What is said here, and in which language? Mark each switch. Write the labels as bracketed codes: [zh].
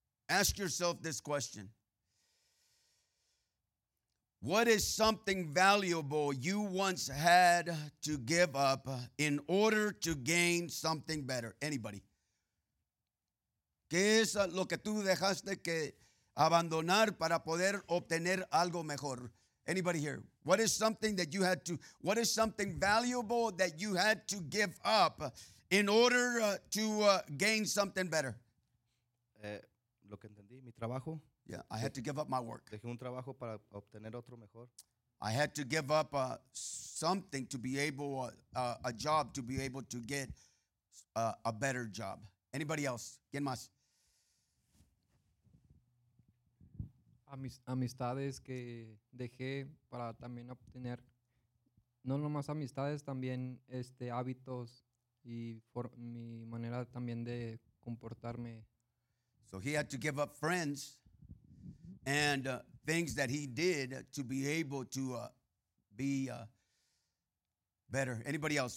[en] Ask yourself this question. What is something valuable you once had to give up in order to gain something better? Anybody? [es] ¿Qué es lo que tú dejaste que abandonar para poder obtener algo mejor? [en] Anybody here? What is something that you had to, what is something valuable that you had to give up in order to gain something better? [es] Lo que entendí, mi trabajo. [en] Yeah, I had to give up my work. [es] Dejé un trabajo para obtener otro mejor. [en] I had to give up something to be able, a job to be able to get a better job. Anybody else? [es] ¿Quién más? Amistades que dejé para también obtener, no nomás amistades, también hábitos y mi manera también de comportarme. [en] So he had to give up friends and things that he did to be able to be better. Anybody else?